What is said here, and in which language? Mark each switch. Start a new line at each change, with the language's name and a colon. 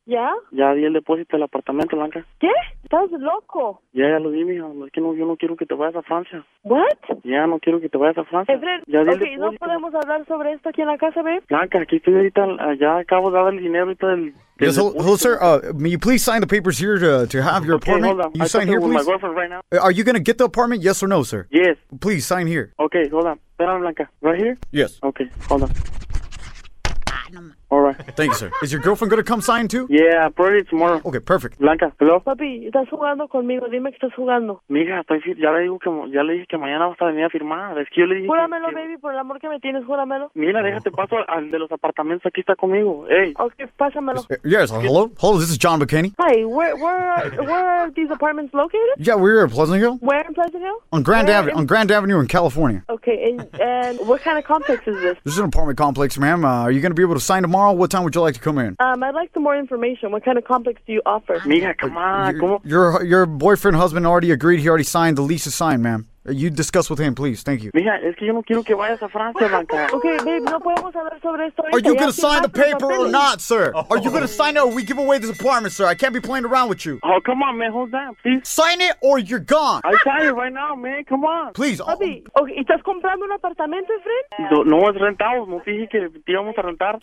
Spanish: ¿Ya? Ya di el depósito del apartamento, Blanca. ¿Qué? ¿Estás loco? Ya lo di, mija. Es que no, yo no quiero que te vayas a Francia.
English: ¿What?
Spanish: Ya, no quiero que te vayas a Francia. No podemos hablar sobre esto aquí en la casa, ¿ves? Blanca, aquí estoy ahorita, ya acabo de dar el dinero ahorita del...
English: Yes, hello, sir. May you please sign the papers here to have your apartment? Okay, hold on. You I sign here, please. My girlfriend right now. Are you going to get the apartment? Yes or no, sir? Yes. Please sign here. Okay, hold on.
Spanish: Espérame, Blanca.
English: Right here? Yes. Okay, hold on. All right. Thank you, sir. Is your girlfriend going to come sign too? Yeah, probably tomorrow. Okay, perfect. Blanca, hello?
Spanish: Papi, estás jugando conmigo. Dime que estás jugando. Mija, ya le dije que mañana vas a venir a firmar. Es que yo le dije... Júramelo, baby, por el amor que me tienes, júramelo. Mira, déjate, paso al de los apartamentos. Aquí está conmigo. Hey. Okay, pásamelo.
English: Hello? Hello, this is John McKinney. Hi, where are these apartments located? Yeah, we're here at Pleasant Hill. Where in Pleasant Hill? On Grand Avenue in California. Okay, and what kind of complex is this? This is an apartment complex, ma'am. Are you going to be able to sign tomorrow? What time would you like to come in? I'd like some more information. What kind of complex do you offer? Mija, come on. Your boyfriend, husband already agreed. He already signed. The lease is signed, ma'am. You discuss with him, please. Thank you.
Spanish: Mija, es que yo no quiero que vayas a Francia, Blanca. Okay, babe, no podemos hablar sobre esto.
English: Are you going to sign the paper or not, sir? Are you going to sign it or we give away this apartment, sir? I can't be playing around with you. Oh, come on, man. Hold down, please. Sign it or you're gone. I sign it right now, man. Come on. Please.
Spanish: Papi, okay, ¿estás comprando un apartamento, friend? No, es rentado. No dije que te íbamos a rentar.